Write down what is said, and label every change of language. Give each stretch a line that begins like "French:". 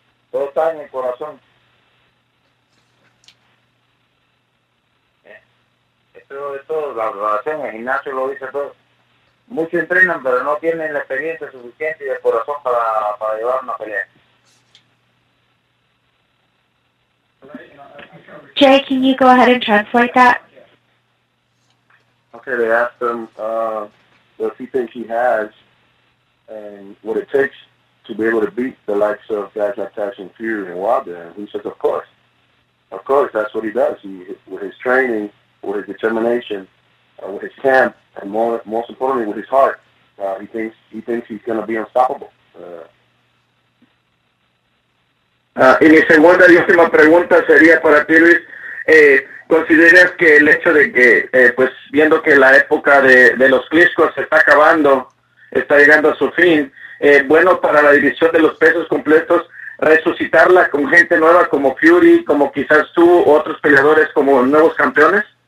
Spanish: Todo está en el corazón. Esto es todo, la relación, el gimnasio lo dice todo. Muchos entrenan, pero no tienen la experiencia suficiente y el corazón para llevar una pelea.
English: Jay, can you go ahead and translate that? Okay, they asked him if he thinks he has and what it takes to be able to beat the likes of guys like Tyson Fury and Wilder. And he says, of course. Of course, that's what he does. He, with his training, with his determination, with his camp, and most importantly, with his heart, he thinks he's going to be unstoppable.
Spanish: Y mi segunda y última pregunta sería para ti, Luis. ¿Consideras que el hecho de que, pues viendo que la época de los Klitschko se está acabando, está llegando a su fin, bueno para la división de los pesos completos resucitarla con gente nueva como Fury, como quizás tú, u otros peleadores como nuevos campeones?